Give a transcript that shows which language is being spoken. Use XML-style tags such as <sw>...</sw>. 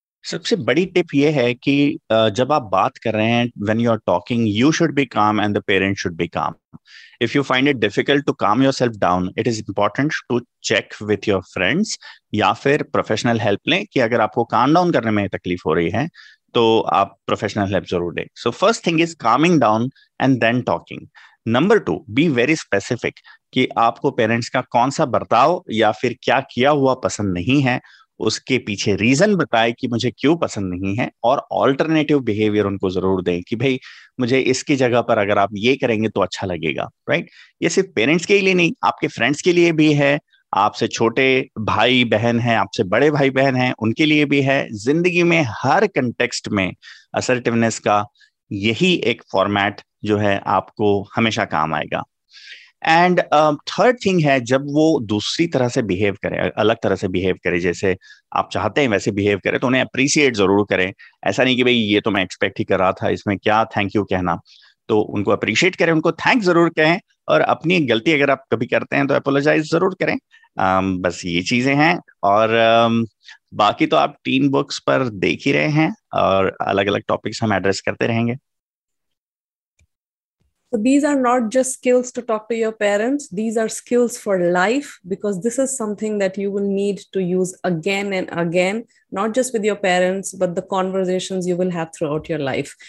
<hi>सबसे बड़ी टिप ये है कि जब आप बात कर रहे हैं,</hi> <en>when you are talking, you should be calm and the parent should be calm. If you find it difficult to calm yourself down, it is important to check with your friends</en> <hi>या फिर professional help लें, कि अगर आपको calm down करने में तकलीफ हो रही है तो आप professional help जरूर लें.</hi> <en>So first thing is calming down and then talking. Number two, be very specific</en> <hi>कि आपको parents का कौन सा बर्ताव या फिर क्या किया हुआ पसंद नहीं है, उसके पीछे रीजन बताए कि मुझे क्यों पसंद नहीं है, और अल्टरनेटिव बिहेवियर उनको जरूर दें कि भाई मुझे इसकी जगह पर अगर आप ये करेंगे तो अच्छा लगेगा, राइट? ये सिर्फ पेरेंट्स के लिए नहीं, आपके फ्रेंड्स के लिए भी है, आपसे छोटे भाई बहन हैं, आपसे बड़े भाई बहन हैं, उनके लिए भी है. जिंदगी में हर कंटेक्स्ट में असर्टिवनेस का यही एक फॉर्मेट जो है आपको हमेशा काम आएगा. एंड थर्ड थिंग है, जब वो दूसरी तरह से बिहेव करे, अलग तरह से बिहेव करे जैसे आप चाहते हैं वैसे बिहेव करे, तो उन्हें अप्रिसिएट जरूर करें. ऐसा नहीं कि भाई ये तो मैं एक्सपेक्ट ही कर रहा था, इसमें क्या थैंक यू कहना. तो उनको अप्रिशिएट करें, उनको थैंक जरूर कहें, और अपनी गलती अगर आप कभी करते हैं तो अपोलोजाइज जरूर करें. बस ये चीजें हैं, और बाकी तो आप टीन बुक्स पर देख ही रहे हैं और अलग अलग टॉपिक्स हम एड्रेस करते रहेंगे.</hi> <en>So these are not just skills to talk to your parents. These are skills for life, because this is something that you will need to use again and again, not just with your parents, but the conversations you will have throughout your life.</en>